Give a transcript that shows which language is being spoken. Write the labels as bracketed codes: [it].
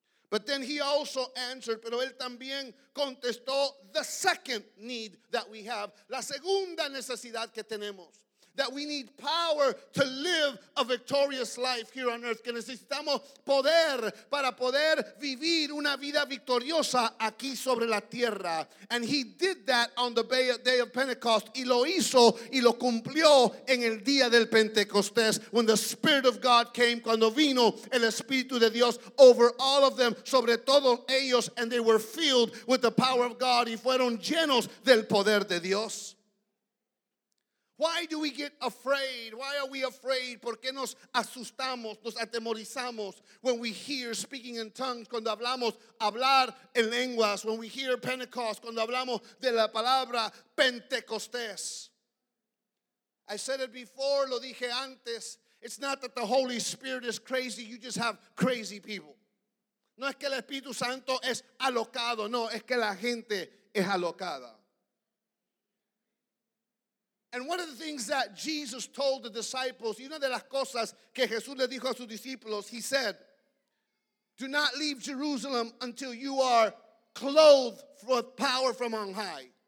[en] But then he also answered, [es] pero él también contestó [en] the second need that we have, [es] la segunda necesidad que tenemos. [en] That we need power to live a victorious life here on earth. [es] Que necesitamos poder para poder vivir una vida victoriosa aquí sobre la tierra. [en] And he did that on the day of Pentecost. [es] Y lo hizo y lo cumplió en el día del Pentecostés. [en] When the Spirit of God came, [es] cuando vino el Espíritu de Dios [en] over all of them, [es] sobre todos ellos, [en] and they were filled with the power of God. [es] Y fueron llenos del poder de Dios. [en] Why do we get afraid? Why are we afraid? [es] ¿Por qué nos asustamos, nos atemorizamos [en] when we hear speaking in tongues, [es] cuando hablamos hablar en lenguas, [en] when we hear Pentecost, [es] cuando hablamos de la palabra Pentecostés? [en] I said it before, [es] lo dije antes. [en] It's not that the Holy Spirit is crazy, you just have crazy people. [es] No es que el Espíritu Santo es alocado, no, es que la gente es alocada. [en] And one of the things that Jesus told the disciples, [es] y una de las cosas que Jesús le dijo a sus discípulos, [en] he said, do not leave Jerusalem until you are clothed with power from on high.